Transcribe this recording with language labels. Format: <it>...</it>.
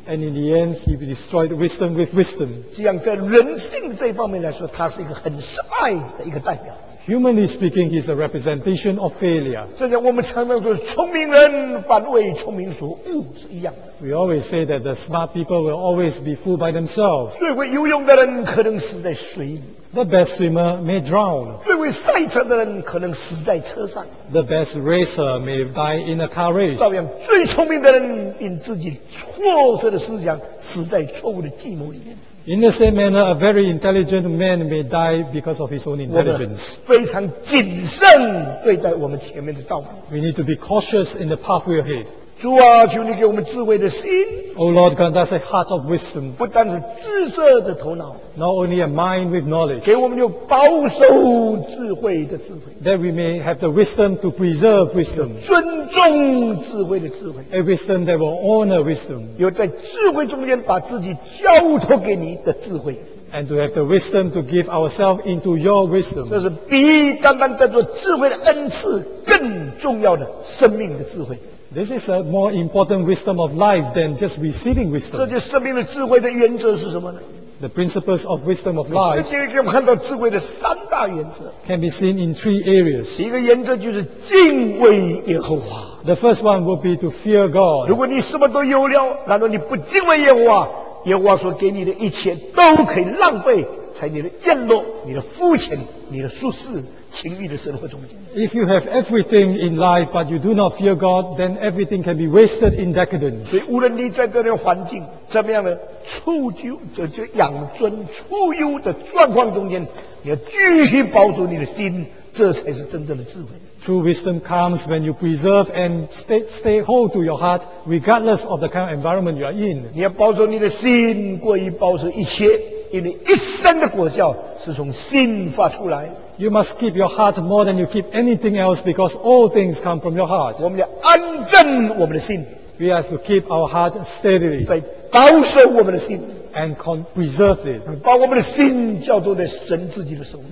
<en>And in the end, he destroyed wisdom with wisdom.</en> <zh>这样在人性这方面来说，他是一个很失败的一个代表。</zh> <en>Humanly speaking, he's a representation of failure.</en> <zh>这样我们常常说，聪明人反为聪明所误是一样的。</zh> <en>We always say that the smart people will always be fooled by themselves.</en> <zh>最会游泳的人可能死在水里。</zh> <en>The best swimmer may drown.</en> <zh>最会赛车的人可能死在车上。</zh> <en>The best racer may die in a car race.</en> <zh>照样，最聪明的人因自己错误的思想死在错误的计谋里面。</zh> <en>In the same manner, a very intelligent man may die because of his own intelligence.</en> <zh>我们非常谨慎对待我们前面的道路。</zh> <en>We need to be cautious in the pathway ahead.</en> <zh>主啊，求你给我们智慧的心。</zh> <en>O Lord, grant us a heart of wisdom.</en> <zh>不但是知识的头脑。</zh> <en>Not only a mind with knowledge.</en> <zh>给我们有保守智慧的智慧。</zh> <en>That we may have the wisdom to preserve wisdom.</en> <zh>尊重智慧的智慧。</zh> <en>A wisdom that will honor wisdom.</en> <zh>有在智慧中间把自己交托给你的智慧。</zh> <en>And to have the wisdom to give ourselves into your wisdom.</en> <zh>这是比单单叫做智慧的恩赐更重要的生命的智慧。</zh> <en>This is a more important wisdom of life than just receiving wisdom.</en> <zh>这就是生命的智慧的原则是什么呢？</zh> <en>The principles of wisdom of life.</en> <zh>圣经给我们看到智慧的三大原则。</zh> <en>Can be seen in three areas.</en> <zh>第一个原则就是敬畏耶和华。</zh> <en>The first one will be to fear God.</en> <zh>如果你什么都有了，难道你不敬畏耶和华？耶和华所给你的一切都可以浪费在你的宴乐、你的肤浅、你的舒适。情欲的生活中间。</zh> <en>If you have everything in life but you do not fear God, then everything can be wasted in decadence.</en> <zh>所以无论你在这样的环境，这么样的处优就养尊处优的状况中间，你要继续保守你的心，这才是真正的智慧。</zh> <en>True wisdom comes when you preserve and stay hold to your heart, regardless of the kind of environment you are in.</en> <zh>你要保守你的心，过于保守一切，因为一生的果效是从心发出来。</zh> <en>You must keep your heart more than you keep anything else because all things come from your heart.</en> <zh>我们要安镇我们的心。</zh> <en>We have to keep our heart steadily.</en> <zh>在保守我们的心。</zh> <en>And preserve it.</en> <zh>把我们的心交托在神自己的手里。</zh>